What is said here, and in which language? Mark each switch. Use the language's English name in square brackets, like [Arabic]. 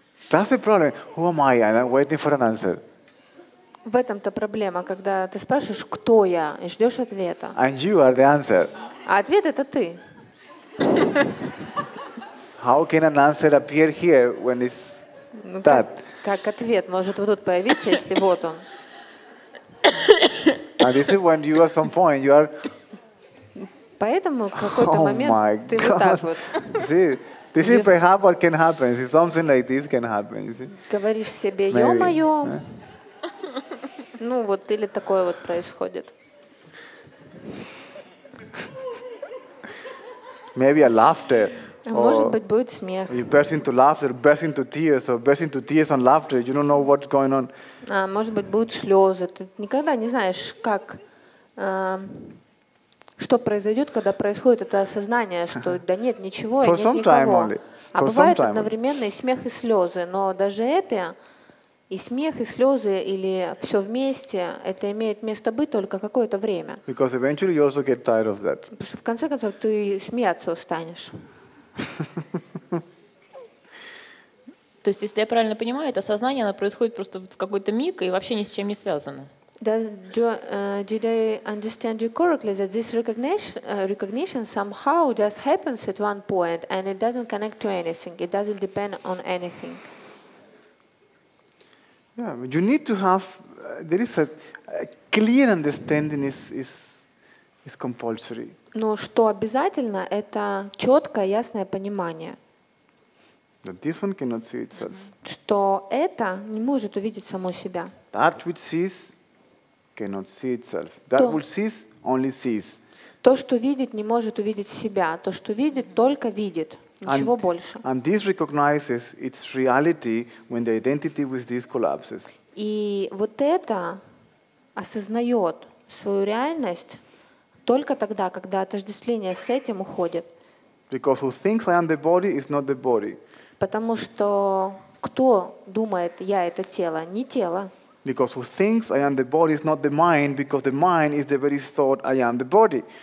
[English] That's the problem. Who am I? And I'm waiting for an answer. [Russian] В этом-то проблема, когда ты спрашиваешь, кто я, и ждешь ответа. [English] And you are the answer. [Russian] А ответ — это ты. [English] How can an answer appear here when it's that? [Russian] Как ответ может вот тут появиться, если вот он? [English] And this is when you at some point you are. [Russian] Поэтому какой-то момент ты вот так вот. [English] This is perhaps what can happen. See, something like this can happen. You see? [Russian] Говоришь себе, ё-моё. Ну вот или такое вот происходит. [English] Maybe a laughter. [Russian] Может быть будет смех. [English] You burst into laughter, burst into tears, or burst into tears and laughter. You don't know what's going on. [Russian] А может быть будут слезы. Ты никогда не знаешь, как что произойдет, когда происходит это осознание, что да нет ничего, нет никого. [English] For some time only. [Russian] А бывает одновременно и смех, и слезы. Но даже это. И смех, и слезы, или все вместе, это имеет место быть только какое-то время. [English] Because eventually you also get tired of that. [Russian] Потому что в конце концов ты смеяться устанешь. То есть, если я правильно понимаю, это осознание, оно происходит просто в какой-то миг и вообще ни с чем не связано. [English] Did I understand you correctly that this recognition somehow just happens at one point and it doesn't connect to anything, it doesn't depend on anything? Yeah, you need to have. There is a clear understanding is compulsory. [Russian] Но что обязательно? Это четкое, ясное понимание. [English] That this one cannot see itself. [Russian] Что это не может увидеть само себя. [English] That which sees cannot see itself. That which sees only sees. [Russian] То, что видит, не может увидеть себя. То, что видит, только видит. Ничего больше. [English] And this recognizes its reality when the identity with this collapses. [Russian] И вот это осознает свою реальность только тогда, когда отождествление с этим уходит. [English] Because who thinks I am the body is not the body. [Russian] Потому что кто думает, я это тело, не тело. [English] Because who thinks I am the body is not the mind, because the mind is the very thought I am the body.